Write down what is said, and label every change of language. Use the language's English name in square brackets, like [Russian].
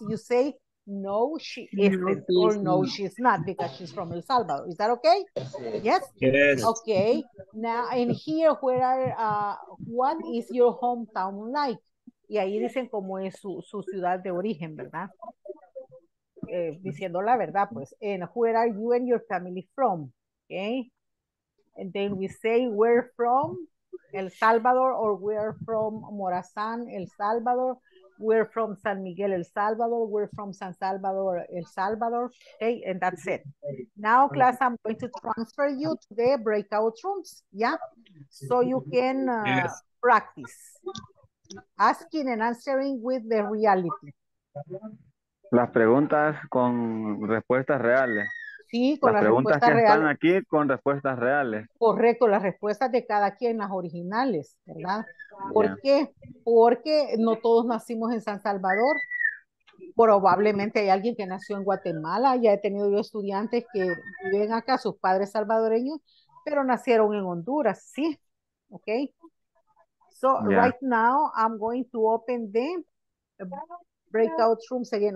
[English] You say, no, she isn't, or no, she's not, because she's from El Salvador. Is that okay? Yes? Yes. Okay. Now, in here, where are, what is your hometown like? [Spanish] Y ahí dicen cómo es su ciudad de origen, ¿verdad? Diciendo la verdad, pues. [English] And where are you and your family from? Okay. And then we say, where from? El Salvador, or where from Morazán, El Salvador. We're from San Miguel, El Salvador. We're from San Salvador, El Salvador. Okay, and that's it. Now, class, I'm going to transfer you to the breakout rooms. Yeah? so you can practice asking and answering with the reality. [Spanish] Las preguntas con respuestas reales. Sí, con las preguntas que están aquí con respuestas reales. Correcto, las respuestas de cada quien, las originales, ¿verdad? ¿Por qué? Porque no todos nacimos en San Salvador. Probablemente hay alguien que nació en Guatemala. Ya he tenido yo estudiantes que viven acá, sus padres salvadoreños, pero nacieron en Honduras, sí. [English] Ok. So, right now, I'm going to open the breakout rooms again.